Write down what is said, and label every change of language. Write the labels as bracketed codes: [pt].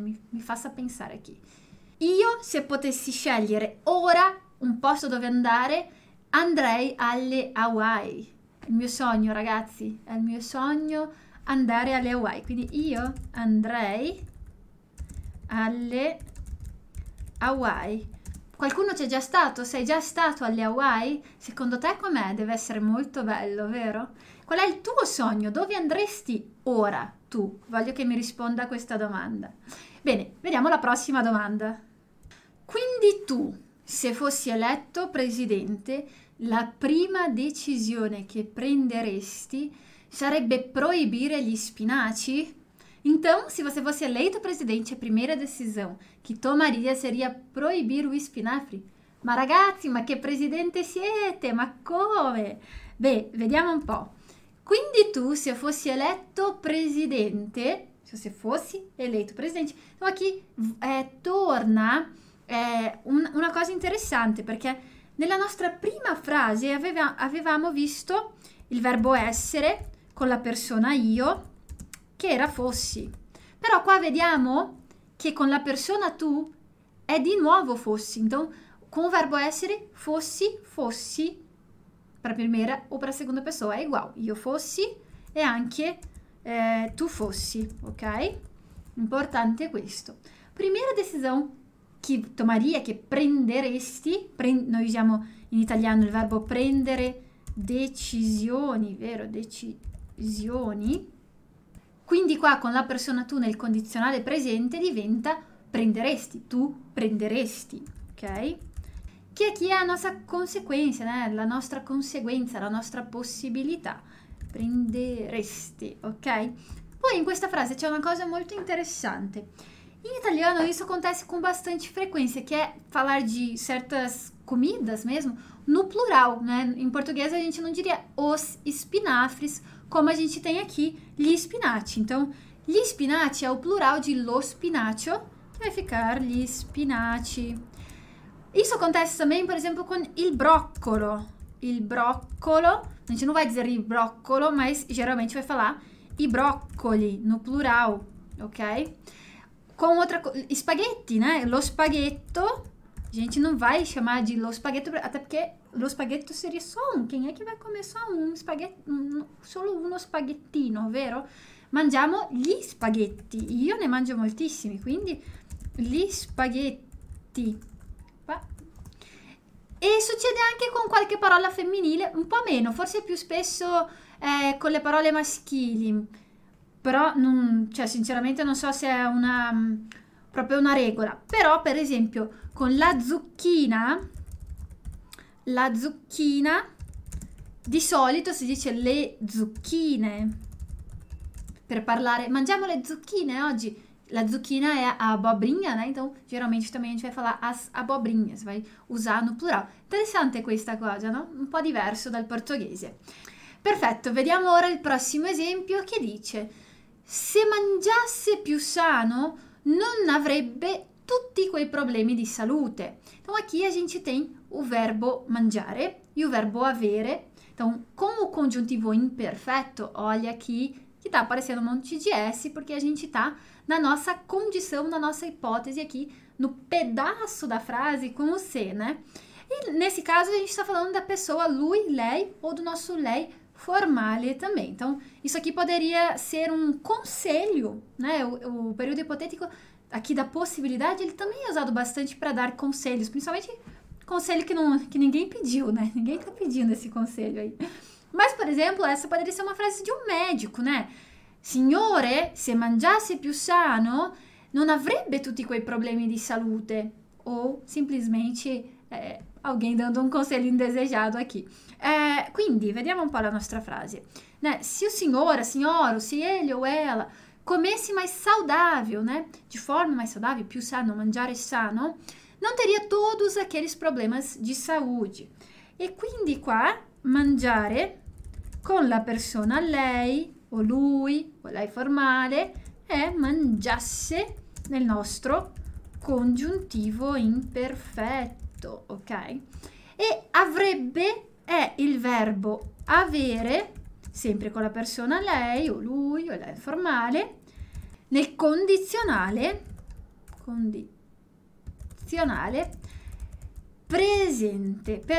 [pt] Mi faça pensar aqui. [it] Io, se potessi scegliere ora un posto dove andare, andrei alle Hawaii. È il mio sogno, ragazzi. È il mio sogno andare alle Hawaii. Quindi io andrei alle Hawaii. Qualcuno c'è già stato? Sei già stato alle Hawaii? Secondo te com'è? Deve essere molto bello, vero? Qual è il tuo sogno? Dove andresti ora tu? Voglio che mi risponda a questa domanda. Bene, vediamo la prossima domanda. Quindi tu, se fossi eletto presidente, la prima decisione che prenderesti sarebbe proibire gli spinaci? [pt] Então, se você fosse eleito presidente, a primeira decisão que tomaria seria proibir o espinafre? [it] Ma ragazzi, ma che presidente siete? Ma come? Beh, vediamo un po'. Quindi tu, se fossi eletto presidente, [pt] se você fosse eleito presidente, então aqui torna [it] Una cosa interessante perché nella nostra prima frase avevamo visto il verbo essere con la persona io, che era fossi. Però qua vediamo che con la persona tu è di nuovo fossi. [pt] Então, [it] con il verbo essere, fossi, per la prima o per la seconda persona, è uguale. Io fossi e anche tu fossi, ok? Importante questo. Prima decisione. Che [pt] tomaria, [it] che prenderesti, noi usiamo in italiano il verbo prendere decisioni, vero? Decisioni. Quindi qua con la persona tu nel condizionale presente diventa prenderesti, tu prenderesti, ok? Che è chi è la nostra conseguenza, [pt] né? [it] La nostra conseguenza, la nostra possibilità, prenderesti, ok? Poi in questa frase c'è una cosa molto interessante. In italiano [pt] isso acontece com bastante frequência, que é falar de certas comidas mesmo no plural, né? Em português a gente não diria os espinafres, como a gente tem aqui, gli spinaci. Então, gli spinaci é o plural de lo spinacio, que vai ficar gli spinaci. Isso acontece também, por exemplo, com il broccolo. Il broccolo, a gente não vai dizer il broccolo, mas geralmente vai falar i broccoli no plural, ok? Com outra coisa, espaguete, né? Lo spaghetto, a gente não vai chamar de lo spaghetto, até porque lo spaghetto seria só um. Quem é que vai comer só um spaghetto? [it] Solo uno spaghettino, vero? Mangiamo gli spaghetti. Io ne mangio moltissimi, quindi gli spaghetti. E succede anche con qualche parola femminile, un po' meno, forse più spesso con le parole maschili. Però, non, cioè, sinceramente, non so se è proprio una regola. Però, per esempio, con la zucchina, di solito si dice le zucchine. Per parlare, mangiamo le zucchine oggi. La zucchina è [pt] abobrinha, né? Então, geralmente, também a gente vai falar as abobrinhas, vai usar no plural. [it] Interessante questa cosa, no? Un po' diverso dal portoghese. Perfetto, vediamo ora il prossimo esempio che dice. Se mangiasse più sano, non avrebbe tutti quei problemi di salute. [pt] Então, aqui a gente tem o verbo mangiare e o verbo avere. Então, com o congiuntivo imperfetto, olha aqui que está aparecendo um monte de S, porque a gente está na nossa condição, na nossa hipótese aqui, no pedaço da frase com o se, né? E nesse caso, a gente está falando da pessoa lui, lei ou do nosso lei. Formale também. Então, isso aqui poderia ser um conselho, né? O período hipotético aqui da possibilidade, ele também é usado bastante para dar conselhos, principalmente conselho que, não, que ninguém pediu, né? Ninguém tá pedindo esse conselho aí. Mas, por exemplo, essa poderia ser uma frase de um médico, né? [it] Signore, se mangiasse più sano, non avrebbe tutti quei problemi di salute. [pt] Ou simplesmente alguém dando um conselho indesejado aqui. [it] Quindi, vediamo un po' la nostra frase. [pt] Né? Se o senhor, a senhora, se ele ou ela comesse mais saudável, né? De forma mais saudável, [it] più sano, mangiare sano, [pt] não teria todos aqueles problemas de saúde. [it] E quindi qua, mangiare con la persona lei o lui, o lei formale, è mangiasse nel nostro congiuntivo imperfetto. Ok, e avrebbe è il verbo avere sempre con la persona lei o lui o lei formale nel condizionale presente.